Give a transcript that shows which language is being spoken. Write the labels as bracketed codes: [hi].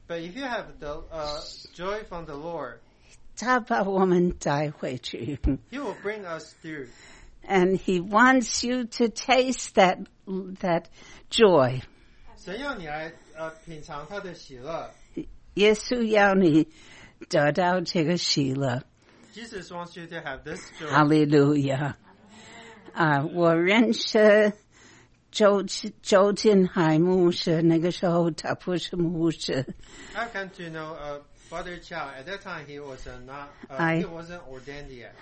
[en] but if you have the joy from the Lord, [zh] 祂把我们带回去. [en] He will bring us through. And he wants you to taste that joy. [zh] 神要你来, 品尝他的喜乐。耶稣要你得到这个喜乐。 [en] Jesus wants you to have this joy. Hallelujah. [zh] 我认识周金海牧师,那个时候他不是牧师。 [en] I've come to know Father Chow, at that time he wasn't ordained yet.